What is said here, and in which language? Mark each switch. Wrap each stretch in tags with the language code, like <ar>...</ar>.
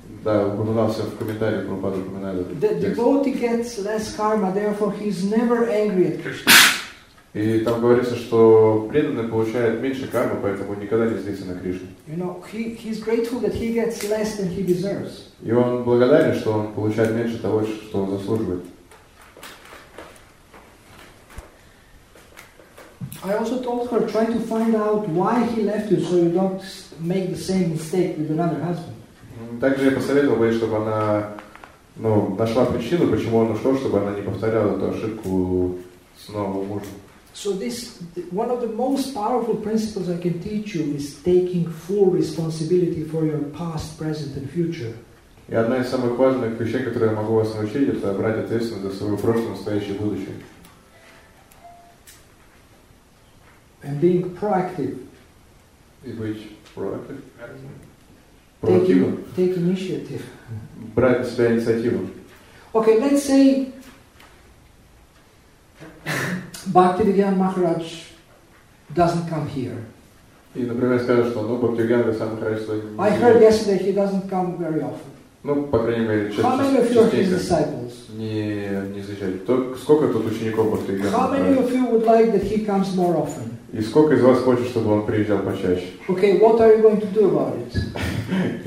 <ru>Да, упоминался в комментариях, Прабхупада упоминает этот текст.</ru> <en>The devotee gets less karma, therefore he's never angry at Krishna.</en> <ru>И там говорится, что преданный получает меньше кармы, поэтому никогда не злится на Кришну.</ru> <en>You know, he's grateful that he gets less than he deserves.</en> <ru>И он благодарен, что он получает меньше того, что он заслуживает.</ru> <en>I also told her, try to find out why he left you, so you don't make the same mistake with another husband.</en> <ru>Также я посоветовал бы, чтобы она, ну, нашла причину, почему он ушел, чтобы она не повторяла эту ошибку с новым мужем.</ru> <en>So this one of the most powerful principles I can teach you is taking full responsibility for your past, present, and future.</en> <ru>И одна из самых важных вещей, которые я могу вас научить, это брать ответственность за свое прошлое, настоящее, будущее.</ru> <en>And being proactive.</en> <ru>И быть proactive.</ru> <en>Proactive. Take initiative.</en> <ru>Брать на себя инициативу.</ru> <en>Okay, let's say. Bhaktivedanta Maharaj doesn't come here.</en> <ru>И, например, скажу, что, ну, Бхактивиданта сам Махарадж сегодня не приехал.</ru> <en>I heard yesterday he doesn't come very often.</en> <ru>Ну, по крайней мере, часто.</ru> <en>How many of you are his disciples?</en> <ru>Не изучали. То сколько тут учеников Бхактивиданта?</ru> <en>How many of you would like that he comes more often?</en> <ru>И сколько из вас хочет, чтобы он приезжал почаще?</ru> <en>Okay, what are you going to do about it?</en>